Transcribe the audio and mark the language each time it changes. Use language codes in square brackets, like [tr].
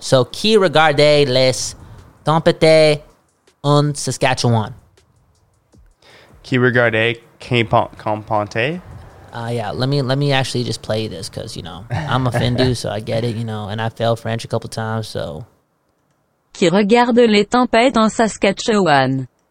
[fr] So, qui regarde les tempêtes en Saskatchewan? Qui regarde Campante? [en] Yeah. Let me actually just play this because, you know, I'm a Findu, so I get it, you know, and I failed French a couple times, so. [fr] Qui regarde les tempêtes en Saskatchewan?